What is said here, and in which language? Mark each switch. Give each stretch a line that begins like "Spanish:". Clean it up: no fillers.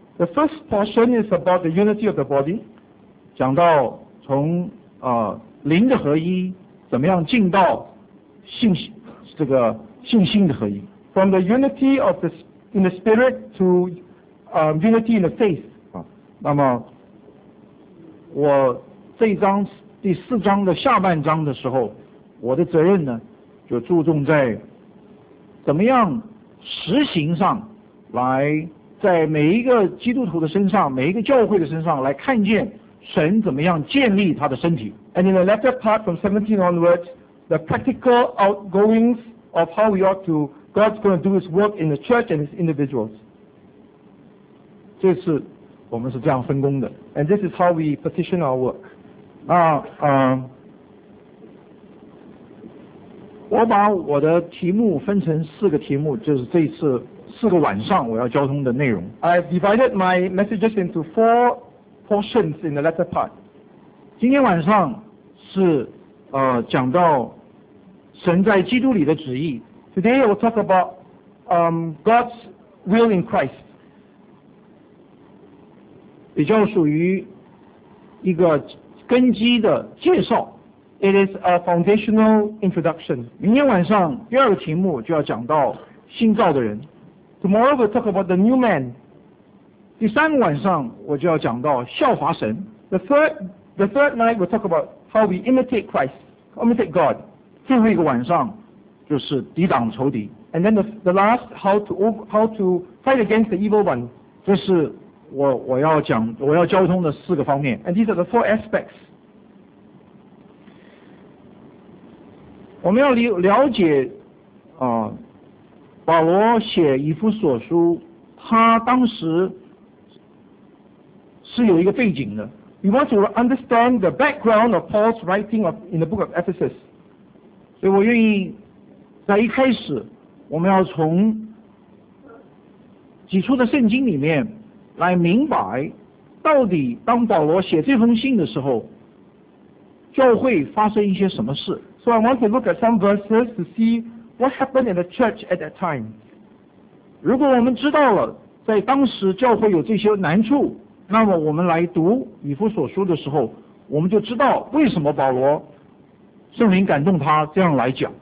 English: The first portion is about the unity of the body.
Chinese: 讲到从灵的合一怎么样进到信心的合一。
English: From the unity of the in the spirit to unity in the faith.
Chinese: 那么我这一章第四章的下半章的时候，我的责任呢就注重在怎么样实行上来。在每一个基督徒的身上，每一个教会的身上，来看见神怎么样建立他的身体。
English: And in the latter part from 17 onwards, the practical outgoings of how we ought to, God's going to do His work in the church and His individuals.
Chinese: 这次我们是这样分工的。
English: And this is how we position our work.
Chinese: 那我把我的题目分成四个题目，就是这次四个晚上我要交通的内容。
English: I divided my messages into four portions in the latter part.
Chinese: 今天晚上是讲到神在基督里的旨意。
English: Today I will talk about God's will in Christ.
Chinese: 比较属于一个根基的介绍。
English: It is a foundational introduction.
Chinese: 明天晚上第二个题目就要讲到新造的人。
English: Tomorrow we'll talk about the new man.
Chinese: 第三个晚上我就要讲到效法神。
English: The third night we'll talk about how we imitate Christ, imitate God.
Chinese: 最后一个晚上就是抵挡仇敌。
English: And then the last, how to fight against the evil one.
Chinese: 这是我要讲我要交通的四个方面。
English: And these are the four aspects.
Chinese: 我们要了解保罗写以弗所书，他当时是有一个背景的。
English: We want to understand the background of Paul's writing of, in the book of Ephesus.
Chinese: 所以我愿意在一开始我们要从几处的圣经里面来明白到底当保罗写这封信的时候教会发生一些什么事。
English: So I want to look at some verses to see what happened in the church at that time.
Chinese: 如果我们知道了在当时教会有这些难处，那么我们来读以弗所书的时候，我们就知道为什么保罗圣灵感动他这样来讲。